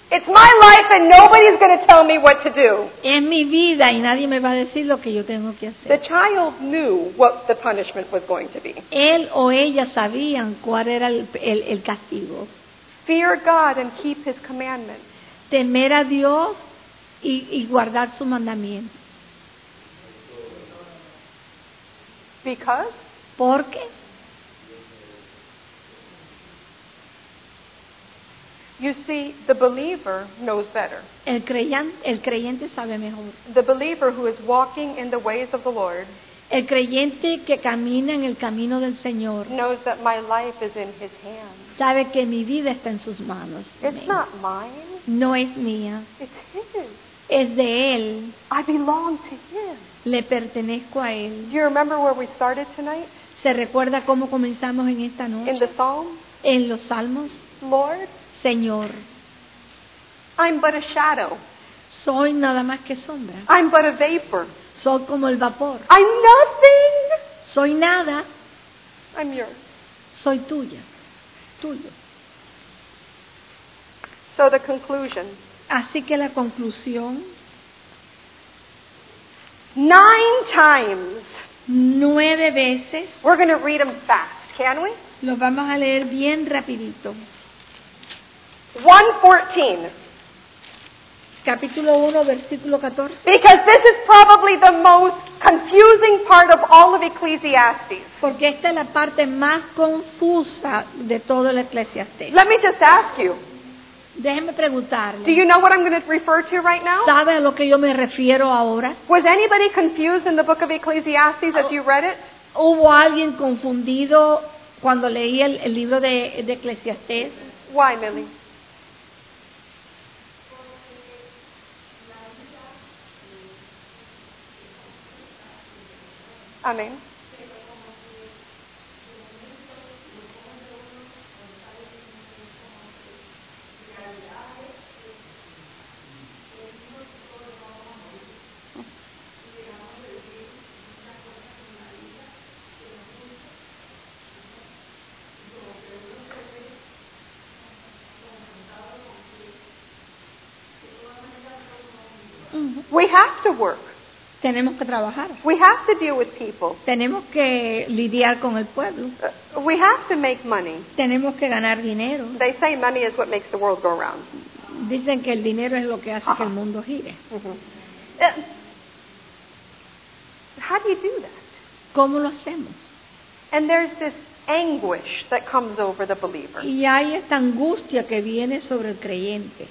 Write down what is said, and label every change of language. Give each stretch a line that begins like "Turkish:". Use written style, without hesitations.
English: It's my life and nobody's going to tell me what to do.
Spanish: Es mi vida y nadie me va a decir lo que yo tengo que hacer.
English: The child knew what the punishment was going to be.
Spanish: Él o ella sabían cuál era el castigo.
English: Fear God and keep His commandments.
Spanish: Temer a Dios y guardar su mandamiento.
English: Because?
Spanish: Porque?
English: You see, the believer knows better.
Spanish: El creyente sabe mejor.
English: The believer who is walking in the ways of the Lord.
Spanish: El creyente que camina en el camino del Señor.
English: Knows that my life is in His hands.
Spanish: Sabe que mi vida está en sus manos.
English: It's not mine.
Spanish: No es mía.
English: It's His.
Spanish: Es de Él.
English: I belong to Him.
Spanish: Le pertenezco a Él.
English: Do you remember where we started tonight?
Spanish: ¿Se recuerda cómo comenzamos en esta noche?
English: In the Psalm?
Spanish: En los Salmos.
English: Lord,
Spanish: Señor,
English: I'm but a shadow.
Spanish: Soy nada más que sombra.
English: I'm but a vapor.
Spanish: Soy como el vapor.
English: I'm nothing.
Spanish: Soy nada.
English: I'm yours.
Spanish: Soy tuya. Tuyo.
English: So the conclusion.
Spanish: Así que la conclusión.
English: 9 times.
Spanish: 9 veces.
English: We're going to read them fast, can we?
Spanish: Los vamos a leer bien rapidito.
English: 1:14.
Spanish: Capítulo 1, versículo 14.
English: Because this is probably the most confusing part of all of Ecclesiastes.
Spanish: Porque esta es la parte más confusa de todo el Eclesiastés.
English: Let me just ask you.
Spanish: Déjeme preguntarle.
English: Do you know what I'm going to refer to right now?
Spanish: ¿Sabe a lo que yo me refiero ahora?
English: Was anybody confused in the book of Ecclesiastes as you read it?
Spanish: ¿Hubo alguien confundido cuando leí el libro de Eclesiastés?
English: Why, Millie?
Spanish: Amén.
English: We have to work.
Spanish: Tenemos que trabajar.
English: We have to deal with people.
Spanish: Tenemos que lidiar con el pueblo.
English: We have to make money.
Spanish: Tenemos que ganar dinero.
English: They say money is what makes the world go round.
Spanish: Dicen que el dinero es lo que hace que el mundo gire.
English: How do you do that?
Spanish: ¿Cómo lo hacemos?
English: And there's this anguish that comes over the believer.
Spanish: Y hay esta angustia que viene sobre el creyente.